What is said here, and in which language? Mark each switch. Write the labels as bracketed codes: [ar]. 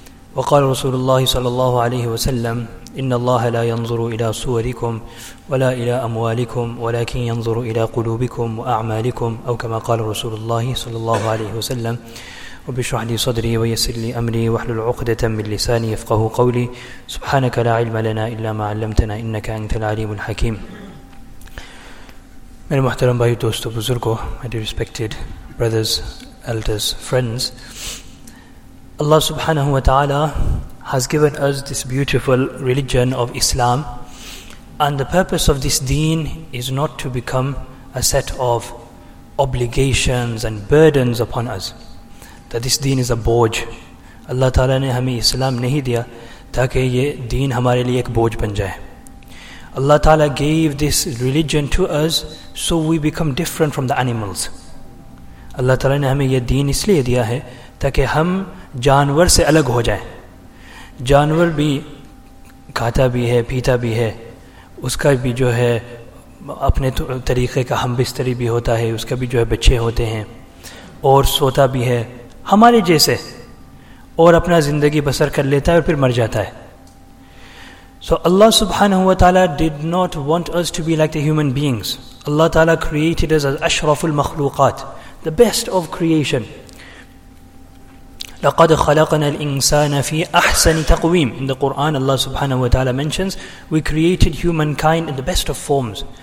[ar] وقال رسول الله صلى الله عليه وسلم: إن الله لا ينظر إلى صوركم ولا إلى أموالكم، ولكن ينظر إلى قلوبكم وأعمالكم، أو كما قال رسول الله صلى الله عليه وسلم: وبشرح لي صدري ويسر لي أمري واحلل عقدة من لساني يفقه قولي. سبحانك لا علم لنا إلا ما علمتنا إنك أنت العليم الحكيم. [ur] میرے محترم بھائی دوستو بزرگو، [en] my dear respected brothers, elders, friends, Allah subhanahu wa ta'ala has given us this beautiful religion of Islam, and the purpose of this deen is not to become a set of obligations and burdens upon us, that this deen is a bojh. [ur] Allah ta'ala نے ہمیں اسلام نہیں دیا تاکہ یہ دین ہمارے لئے ایک بوجھ بن جائے. [en] Allah ta'ala gave this religion to us so we become different from the animals. [ur] Allah ta'ala نے ہمیں یہ دین اس لئے دیا ہے تاکہ ہم جانور سے الگ ہو جائیں. جانور بھی کھاتا بھی ہے، پیتا بھی ہے، اس کا بھی جو ہے اپنے طریقے کا ہم بستری بھی ہوتا ہے، اس کا بھی جو ہے بچے ہوتے ہیں، اور سوتا بھی ہے ہمارے جیسے، اور اپنا زندگی بسر کر لیتا ہے اور پھر مر جاتا ہے. [en] So Allah subhanahu wa ta'ala did not want us to be like the human beings. Allah ta'ala created us as ashraful makhlouqat, the best of creation. [ar] لَقَدْ خَلَقْنَا الْإِنسَانَ فِي أَحْسَنِ تَقْوِيمِ. [en] In the Quran, Allah subhanahu wa ta'ala mentions, we created humankind in the best of forms.